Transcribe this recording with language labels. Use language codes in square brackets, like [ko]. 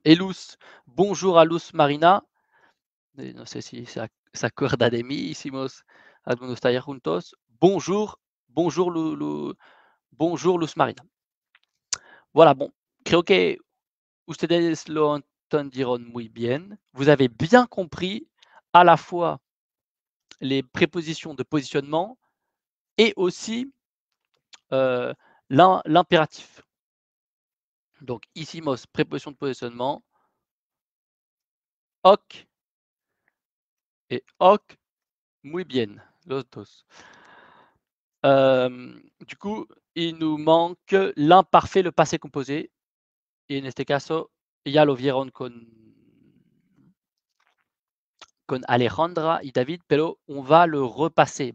[fr] Elus, bonjour à Luz Marina. [es] No sé si ça. Se acuerda de mí, hicimos algunos talleres juntos. [fr] Bonjour Luz Marina. Voilà, bon, [es] creo que ustedes lo entendieron muy bien. [fr] Vous avez bien compris à la fois les prépositions de positionnement et aussi l'impératif. Donc, hicimos préposition de positionnement. Hoc. Et hoc, [es] muy bien, los dos. [fr] Du coup, il nous manque l'imparfait, le passé composé. [es] Et en este caso, ya lo vieron con Alejandra y David, pero [fr] on va le repasser.